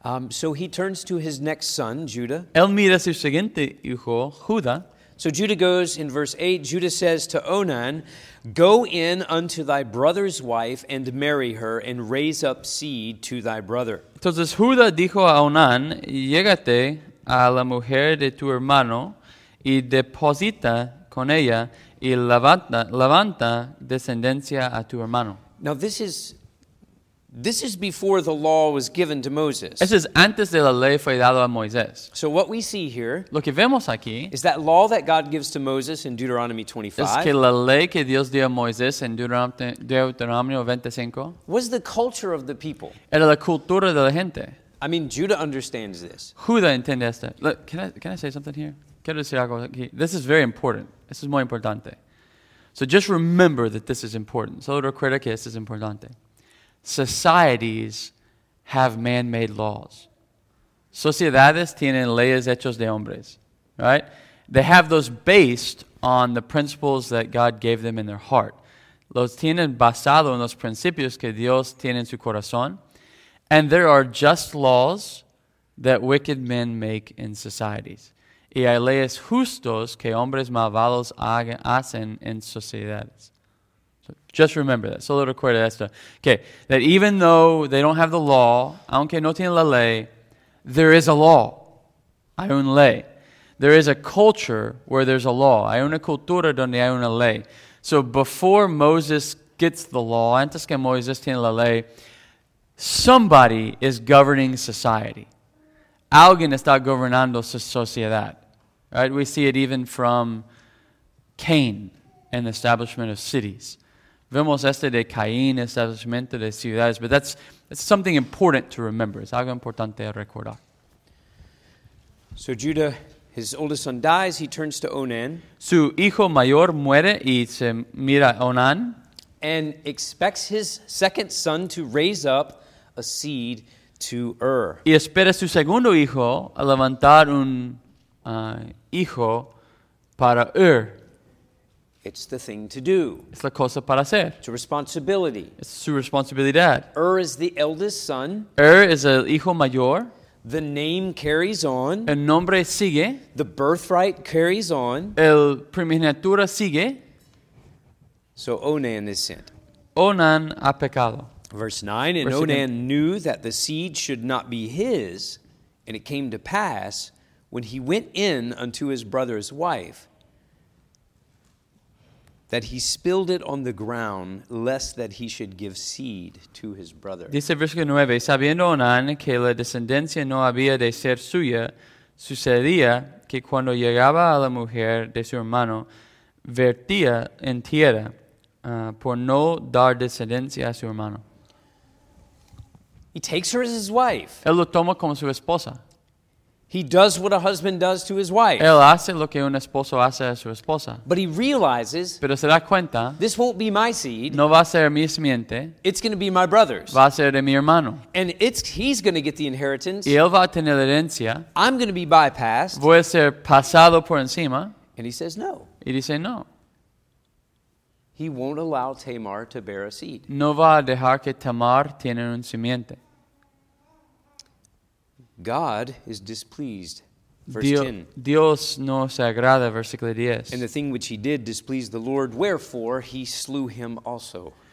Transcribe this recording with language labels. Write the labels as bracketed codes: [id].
[en] So he turns to his next son, Judah. [es] Él mira su siguiente hijo, Judah. [en] So Judah goes in verse 8. Judah says to Onan, "Go in unto thy brother's wife and marry her, and raise up seed to thy brother." [es] Entonces Judah dijo a Onan, "Llégate a la mujer de tu hermano y deposita con ella y levanta descendencia a tu hermano." [en] Now this is before the law was given to Moses. [es] Eso es antes de la ley fue dado a Moisés. [en] So what we see here, [es] lo que vemos aquí, [en] is that law that God gives to Moses in Deuteronomy 25. [es] Es que la ley que Dios dio a Moisés en Deuteronomio 25 [en] was the culture of the people. [es] Era la cultura de la gente. [en] I mean, Judah understands this. [es] Judah entiende esto. [en] Look, can I say something here? [es] Quiero decir algo aquí. [en] This is very important. This is [es] muy importante. [en] So just remember that this is important. [es] Solo recuerda que esto es importante. [en] Societies have man-made laws. [es] Sociedades tienen leyes hechas de hombres, right? [en] They have those based on the principles that God gave them in their heart. [es] Los tienen basado en los principios que Dios tiene en su corazón. [en] And there are just laws that wicked men make in societies. [es] Y hay leyes justos que hombres malvados hacen en sociedades. [en] So just remember that. [es] Solo recuerda esto. [en] Okay, that even though they don't have the law, [es] aunque no tienen la ley, [en] there is a law. [es] Hay una ley. [en] There is a culture where there's a law. [es] Hay una cultura donde hay una ley. [en] So before Moses gets the law, [es] antes que Moisés tiene la ley, [en] somebody is governing society. [es] Alguien está gobernando su sociedad, right? [en] We see it even from Cain and the establishment of cities. [es] Vemos este de Caín, establecimiento de ciudades, [en] but that's something important to remember. [es] Es algo importante a recordar. [en] So Judah, his oldest son dies, he turns to Onan. [es] Su hijo mayor muere y se mira a Onan. [en] And expects his second son to raise up a seed to Ur. [es] Y espera su segundo hijo a levantar un hijo para Ur. [en] It's the thing to do. [es] Es la cosa para hacer. [en] It's a responsibility. [es] Es su responsabilidad. [en] Ur is the eldest son. [es] Ur es el hijo mayor. [en] The name carries on. [es] El nombre sigue. [en] The birthright carries on. [es] El primogenitura sigue. [en] So Onan is sent. [es] Onan ha pecado. [en] Verse 9, and Onan knew that the seed should not be his, and it came to pass, when he went in unto his brother's wife, that he spilled it on the ground, lest that he should give seed to his brother. [es] Dice versículo 9, sabiendo Onan que la descendencia no había de ser suya, sucedía que cuando llegaba a la mujer de su hermano, vertía en tierra por no dar descendencia a su hermano. [en] He takes her as his wife. [es] Él lo toma como su esposa. [en] He does what a husband does to his wife. [es] Él hace lo que un esposo hace a su esposa. [en] But he realizes, [es] pero se da cuenta, [en] this won't be my seed. [es] No va a ser mi simiente. [en] It's going to be my brother's. [es] Va a ser de mi hermano. [en] And he's going to get the inheritance. [es] Y él va a tener la herencia. [en] I'm going to be bypassed. [es] Voy a ser pasado por encima. [en] And he says no. [es] Y dice no. [en] He won't allow Tamar to bear a seed. [es] No va a dejar que Tamar tiene un simiente. [en] God is displeased, verse [es] Dios no se agrada, versículo 10. [en] And the thing which he did displeased the Lord, wherefore he slew him also.